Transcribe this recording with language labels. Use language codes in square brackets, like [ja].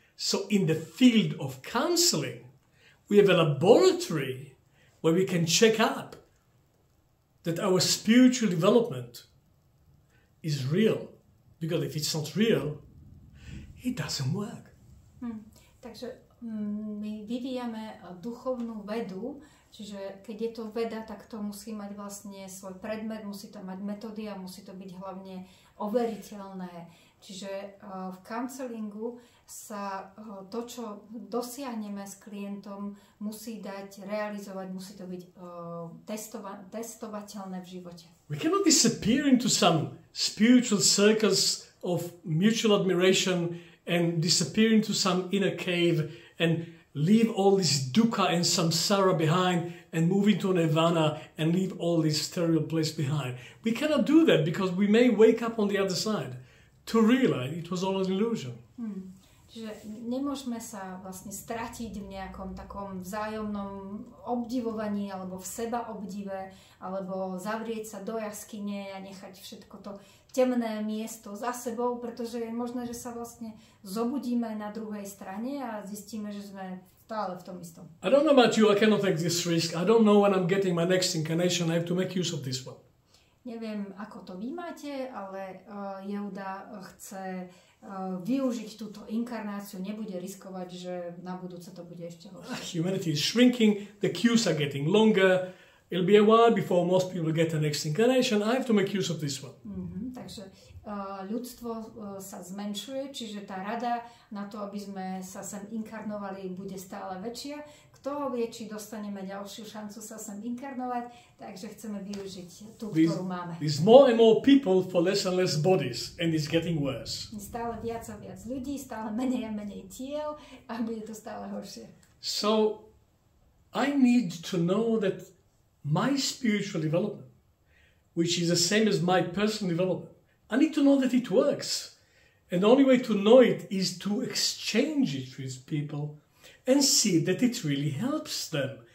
[en] So in the field of counseling, we have a laboratory where we can check up that our spiritual development is real. Because if it's not real, it doesn't work. [sk] Takže my vyvíjame duchovnú vedu. Čiže keď je to veda, tak to musí mať vlastne svoj predmet, musí to mať metódy a musí to byť hlavne overiteľné. Čiže v counselingu sa to, čo dosiahneme s klientom, musí dať realizovať, musí to byť testovateľné v živote. [en] We cannot disappear into some spiritual circles of mutual admiration and disappear into some inner cave and leave all this dukkha and samsara behind and move into nirvana and leave all this terrible place behind. We cannot do that because we may wake up on the other side to realize it was all an illusion. [sk] Čiže nemôžeme sa vlastne stratiť v nejakom takom vzájomnom obdivovaní alebo v seba obdive alebo zavrieť sa do jaskyne a nechať všetko to temné miesto za sebou, pretože je možné, že sa vlastne zobudíme na druhej strane a zistíme, že sme stále v tom istom. [en] I don't know about you, I cannot take this risk. I don't know when I'm getting my next incarnation. I have to make use of this one. [sk] Neviem, ako to vy máte, ale Jeuda chce využiť túto inkarnáciu, nebude riskovať, že na budúce to bude ešte horšie. [en] Humanity is shrinking, the queues are getting longer. It'll be a while before most people get the next incarnation. I have to make use of this one. [sk] Takže ľudstvo sa zmenšuje, čiže tá rada na to, aby sme sa sem inkarnovali, bude stále väčšia. Kto vie, či dostaneme ďalšiu šancu sa sem inkarnovať, takže chceme využiť tú, ktorú máme. [en] There's more and more people for less and less bodies, and it's getting worse. [sk] Stále viac a viac ľudí, stále menej a menej tiel, a bude to stále horšie. [en] So, I need to know that my spiritual development, which is the same as my personal development, I need to know that it works. And the only way to know it is to exchange it with people and see that it really helps them.